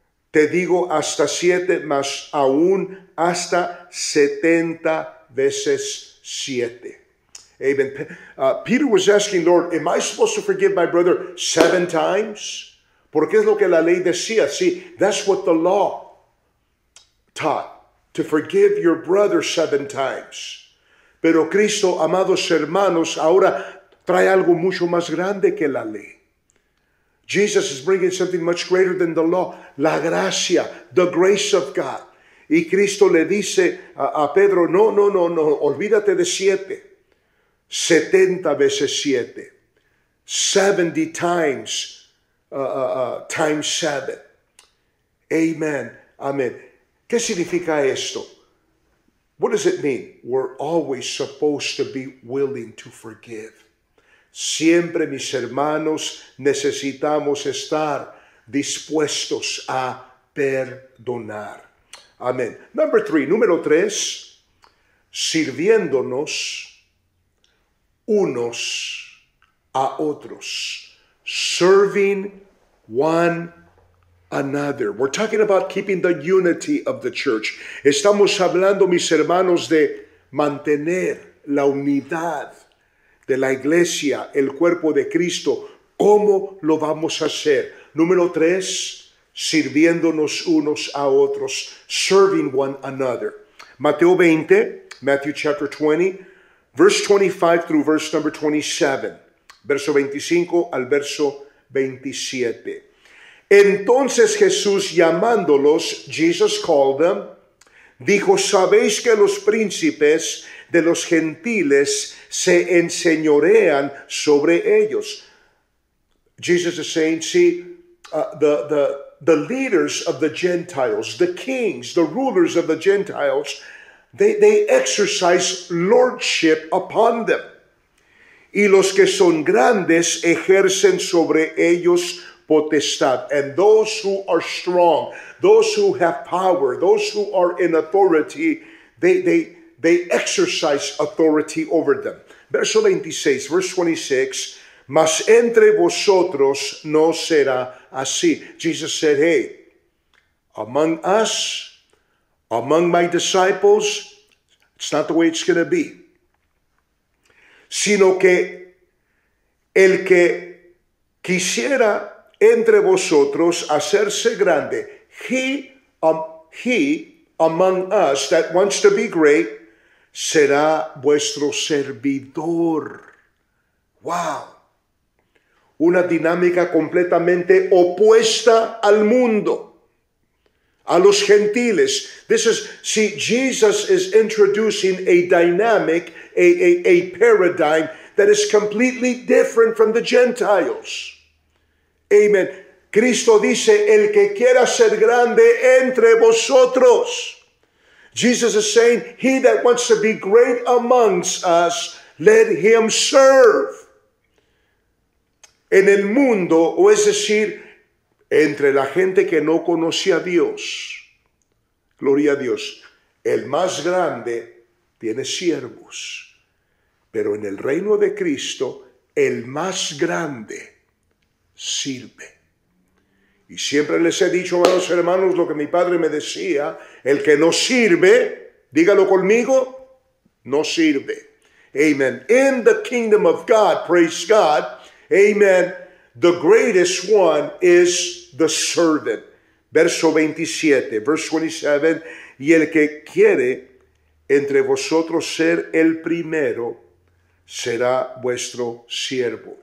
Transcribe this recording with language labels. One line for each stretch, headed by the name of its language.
Spanish: te digo hasta 7, más aún hasta 70 veces 7. Amen.
English: Peter was asking, Lord, am I supposed to forgive my brother 7 times?
Spanish: Porque es lo que la ley decía.
English: See, that's what the law taught, to forgive your brother 7 times.
Spanish: Pero Cristo, amados hermanos, ahora trae algo mucho más grande que la ley.
English: Jesus is bringing something much greater than the law.
Spanish: La gracia,
English: the grace of God.
Spanish: Y Cristo le dice a Pedro, no, olvídate de 7. 70 veces 7.
English: 70 times, times 7. Amen. Amen.
Spanish: ¿Qué significa esto?
English: What does it mean? We're always supposed to be willing to forgive.
Spanish: Siempre, mis hermanos, necesitamos estar dispuestos a perdonar. Amén. Número tres, sirviéndonos unos a otros.
English: Serving one another. We're talking about keeping the unity of the church.
Spanish: Estamos hablando, mis hermanos, de mantener la unidad de la iglesia, el cuerpo de Cristo. ¿Cómo lo vamos a hacer? Número 3, sirviéndonos unos a otros.
English: Serving one another. Matthew chapter 20, verse 25 through verse number 27.
Spanish: Verso 25 al verso 27. Entonces Jesús, llamándolos,
English: Jesus called them,
Spanish: dijo, ¿sabéis que los príncipes de los gentiles se enseñorean sobre ellos?
English: Jesus is saying, see, the leaders of the Gentiles, the kings, the rulers of the Gentiles, they exercise lordship upon them.
Spanish: Y los que son grandes ejercen sobre ellos potestad.
English: And those who are strong, those who have power, those who are in authority, they exercise authority over them. Verse 26,
Spanish: mas entre vosotros no será así.
English: Jesus said, hey, among us, among my disciples, it's not the way it's going to be.
Spanish: Sino que el que quisiera entre vosotros hacerse grande,
English: he among us that wants to be great,
Spanish: será vuestro servidor. Wow. Una dinámica completamente opuesta al mundo, a los gentiles.
English: This is, see, Jesus is introducing a dynamic, a paradigm that is completely different from the Gentiles. Amen.
Spanish: Cristo dice, el que quiera ser grande entre vosotros.
English: Jesus is saying, he that wants to be great amongst us, let him serve.
Spanish: En el mundo, o es decir, entre la gente que no conoce a Dios, gloria a Dios, el más grande tiene siervos. Pero en el reino de Cristo, el más grande sirve. Y siempre les he dicho a los hermanos lo que mi padre me decía, el que no sirve, dígalo conmigo, no sirve. Amen.
English: In the kingdom of God, praise God, amen, the greatest one is the servant.
Spanish: Verso 27, y el que quiere entre vosotros ser el primero será vuestro siervo.